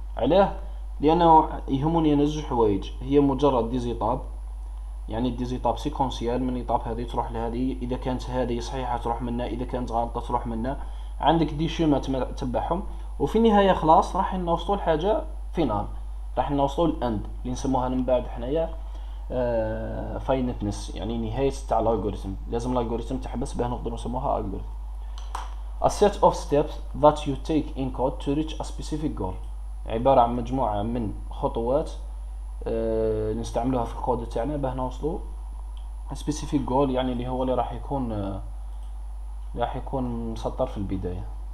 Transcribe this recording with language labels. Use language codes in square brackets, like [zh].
[ar] علاه؟ لأنه يهموني أنا زوج حوايج، هي مجرد ديزيطاب يعني ديزيطاب سيكونسيال من ايطاب هذه تروح لهذه، إذا كانت هذه صحيحة تروح منها، إذا كانت غلطة تروح منها، عندك دي شيما تتبعهم وفي النهايه خلاص راح نوصلوا لحاجه فينال راح نوصلوا للاند اللي نسموها من بعد حنايا فاينتنس يعني نهايه تاع الالغوريثم. لازم الالغوريثم تحبس باه نقدروا نسموها الالغوريثم. [en] A set of steps that you take in code to reach a specific goal. [ar] عباره عن مجموعه من خطوات اللي نستعملوها في الكود تاعنا باه نوصلوا [en] specific goal [ar] يعني اللي هو اللي راح يكون راح يكون مسطر في البداية.